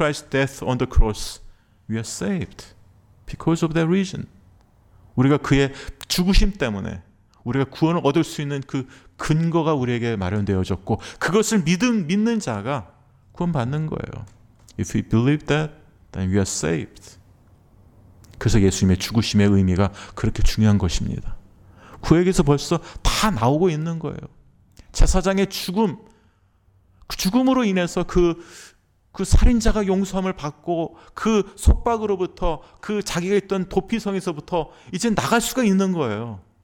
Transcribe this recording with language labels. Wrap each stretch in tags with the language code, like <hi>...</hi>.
<en>death on the cross We are saved Because of that reason</en> <ko>우리가 그의 죽으심 때문에 우리가 구원을 얻을 수 있는 그 근거가 우리에게 마련되어졌고 그것을 믿는 자가 구원 받는 거예요.</ko> <en>If we believe that Then we are saved.</en> <ko>그래서 예수님의 죽으심의 의미가 그렇게 중요한 것입니다. 구약에서 벌써 다 나오고 있는 거예요. 제사장의 죽음, 그 죽음으로 인해서 그 살인자가 용서함을 받고 그 속박으로부터 그 자기가 있던 도피성에서부터 이제 나갈 수가 있는 거예요.</ko>